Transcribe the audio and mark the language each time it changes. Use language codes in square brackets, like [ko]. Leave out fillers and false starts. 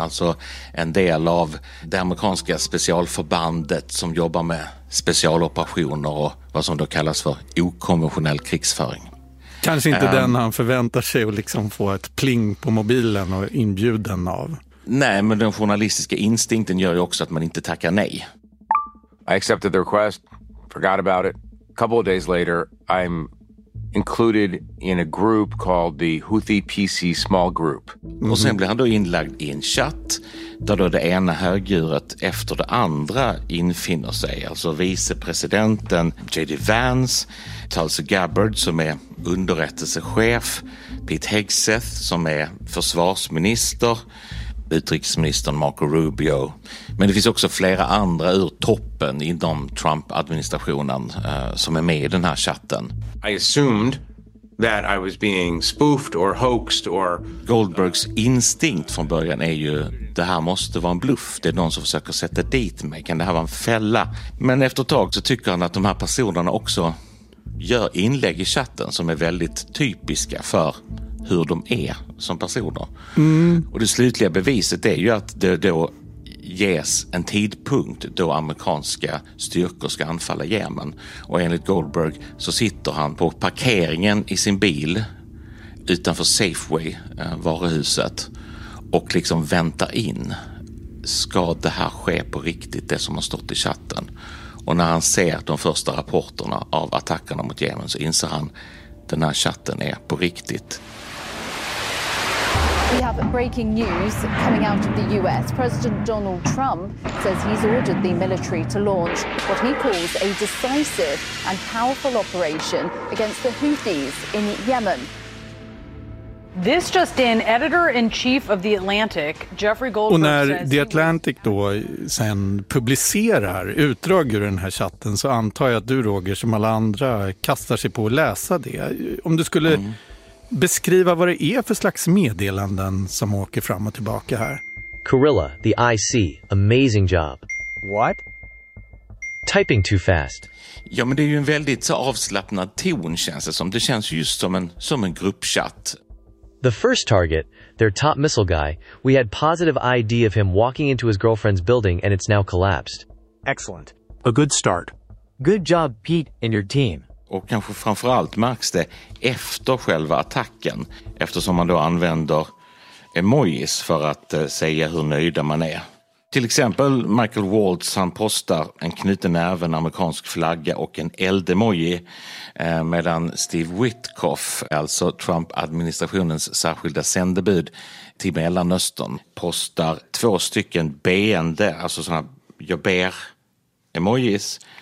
[sv] Alltså en del av det amerikanska specialförbandet som jobbar med specialoperationer och vad som då kallas för okonventionell krigsföring. Kanske inte den han förväntar sig att liksom få ett pling på mobilen och inbjuden av. Nej, men den journalistiska instinkten gör ju också att man inte tackar nej. [en] I accepted the request, forgot about it. A couple of days later, I'm included in a group called the Houthi PC Small Group. Mm-hmm. [sv] Och sen blir han då inlagd i en chatt där då det ena högdjuret efter det andra infinner sig. Alltså vicepresidenten J.D. Vance, Tulsi Gabbard som är underrättelsechef, Pete Hegseth som är försvarsminister, utrikesministern Marco Rubio. Men det finns också flera andra ur toppen inom Trump-administrationen som är med i den här chatten. [en] I assumed that I was being spoofed or hoaxed or... [sv] Goldbergs instinkt från början är ju, det här måste vara en bluff. Det är någon som försöker sätta dit mig. Kan det här vara en fälla? Men efter ett tag så tycker han att de här personerna också gör inlägg i chatten som är väldigt typiska för hur de är som personer. Mm. Och det slutliga beviset är ju att det då ges en tidpunkt då amerikanska styrkor ska anfalla Yemen. Och enligt Goldberg så sitter han på parkeringen i sin bil utanför Safeway, varuhuset, och liksom väntar in. Ska det här ske på riktigt, det som har stått i chatten? Och när han ser de första rapporterna av attackerna mot Yemen så inser han att den här chatten är på riktigt. [en] We have breaking news coming out of the US. President Donald Trump says he's ordered the military to launch what he calls a decisive and powerful operation against the Houthis in Yemen. This just in, editor-in-chief of The Atlantic, Jeffrey Goldberg. [sv] Och när The Atlantic då sen publicerar utdrag ur den här chatten så antar jag att du, Roger, som alla andra, kastar sig på att läsa det. Om du skulle beskriva vad det är för slags meddelanden som åker fram och tillbaka här. [en] Carilla, the IC. Amazing job. What? Typing too fast. [sv] Ja, men det är ju en väldigt så avslappnad ton, känns det som. Det känns just som en gruppchatt. [en] The first target, their top missile guy, we had positive ID of him walking into his girlfriend's building and it's now collapsed. Excellent. A good start. Good job, Pete and your team. [sv] Och kanske framförallt märks det efter själva attacken, eftersom man då använder emojis för att säga hur nöjda man är. Till exempel Michael Waltz, han postar en knuten näve, en amerikansk flagga och en eldemoji, medan Steve Witkoff, alltså Trump-administrationens särskilda sändebud till Mellanöstern, postar två stycken beende, alltså sådana jag ber emojis.